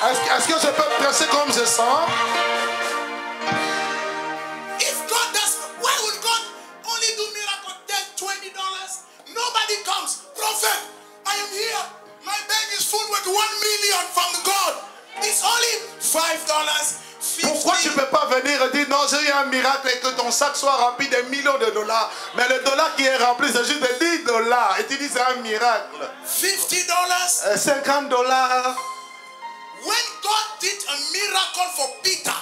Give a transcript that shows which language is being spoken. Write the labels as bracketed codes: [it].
[fr] Est-ce que je peux presser comme je sens? [en] If God does, why would God only do miracle $10, $20? Nobody comes. Prophet, I am here. My bag is full with $1 million from God. It's only $5. [fr] Pourquoi tu ne peux pas venir et dire non, j'ai eu un miracle et que ton sac soit rempli de millions de dollars? Mais le dollar qui est rempli, c'est juste de $10. Et tu dis c'est un miracle. $50? $50. [en] When God did a miracle for Peter,